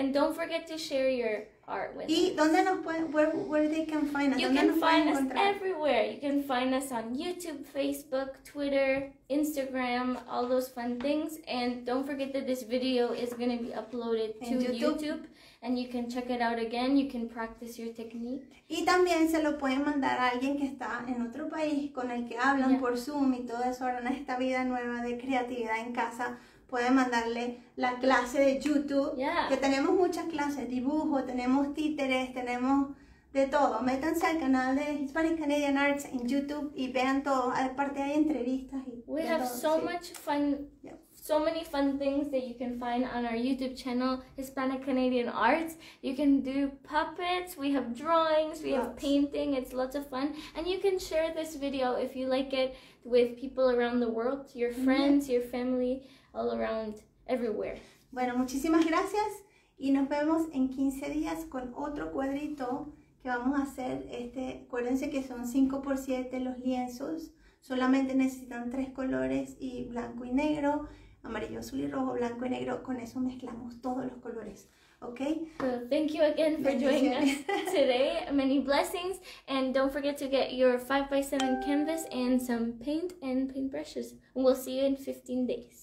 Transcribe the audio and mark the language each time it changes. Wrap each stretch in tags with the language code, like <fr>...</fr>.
<en>And don't forget to share your art with us.</en> <es>¿Y dónde nos pueden,</es> <en>where they can find us? You can find us everywhere. You can find us on YouTube, Facebook, Twitter, Instagram, all those fun things. And don't forget that this video is going to be uploaded to YouTube. And you can check it out again. You can practice your technique.</en> <es>Y también se lo pueden mandar a alguien que está en otro país con el que hablan por Zoom y todo eso. Ahora en esta vida nueva de creatividad en casa, pueden mandarle la clase de YouTube, que tenemos muchas clases, dibujo, tenemos títeres, tenemos de todo. Métanse al canal de Hispanic Canadian Arts en YouTube y vean todo. Aparte hay entrevistas y</es> <en>we have</en> <es>todo,</es> <en>so much fun, so many fun things that you can find on our YouTube channel, Hispanic Canadian Arts. You can do puppets, we have drawings, we have painting, it's lots of fun. And you can share this video if you like it with people around the world, your friends, your family, all around, everywhere.</en> <es>Bueno, muchísimas gracias y nos vemos en 15 días con otro cuadrito que vamos a hacer. Este, acuérdense que son 5x7 los lienzos, solamente necesitan tres colores, y blanco y negro, amarillo, azul y rojo, blanco y negro, con eso mezclamos todos los colores.</es> <en>Okay. Well, thank you again for joining us today. Many blessings, and don't forget to get your 5x7 canvas and some paint and paintbrushes. We'll see you in 15 days.</en>